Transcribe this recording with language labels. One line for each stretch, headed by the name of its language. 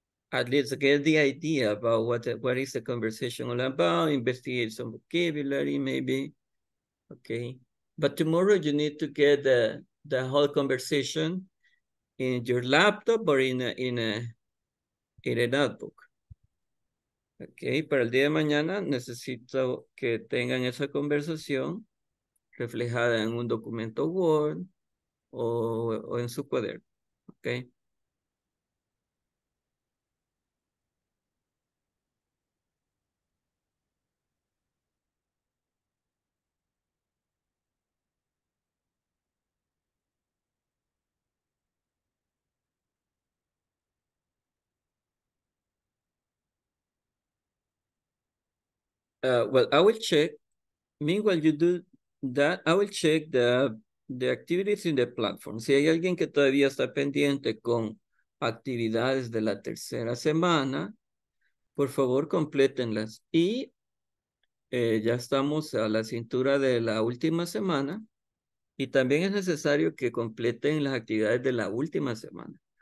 English: At least get the idea about what is the conversation all about, investigate some vocabulary maybe, okay? But tomorrow you need to get the whole conversation in your laptop or in a notebook, okay?
Spanish: Para el día de mañana necesito que tengan esa conversación reflejada en un documento Word, o en su cuaderno, okay.
English: Well, I will check. Meanwhile, you do that. I will check the activities in the platform.
Spanish: Si hay alguien que todavía está pendiente con actividades de la tercera semana, por favor, complétenlas. Y ya estamos a la cintura de la última semana y también es necesario que completen las actividades de la última semana.